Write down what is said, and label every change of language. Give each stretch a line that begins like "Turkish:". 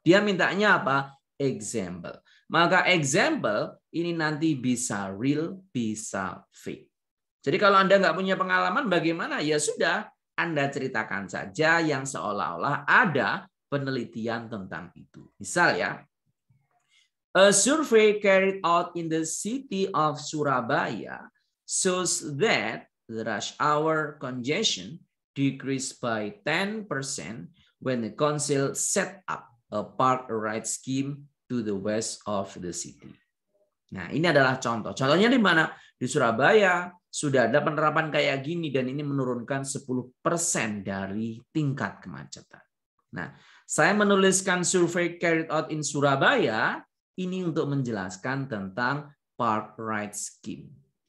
Indonesian: Dia mintanya apa? Example. Maka example ini nanti bisa real, bisa fake. Jadi kalau Anda nggak punya pengalaman bagaimana? Ya sudah, Anda ceritakan saja yang seolah-olah ada penelitian tentang itu. Misal ya,
English: a survey carried out in the city of Surabaya shows that the rush hour congestion decreased by 10% when the council set up a park-ride scheme to the west of the city.
Indonesian: Nah, ini adalah contoh. Contohnya di mana? Di Surabaya sudah ada penerapan kayak gini dan ini menurunkan 10% dari tingkat kemacetan. Nah, saya menuliskan
English: survey carried out in Surabaya
Indonesian: ini untuk menjelaskan tentang park ride scheme.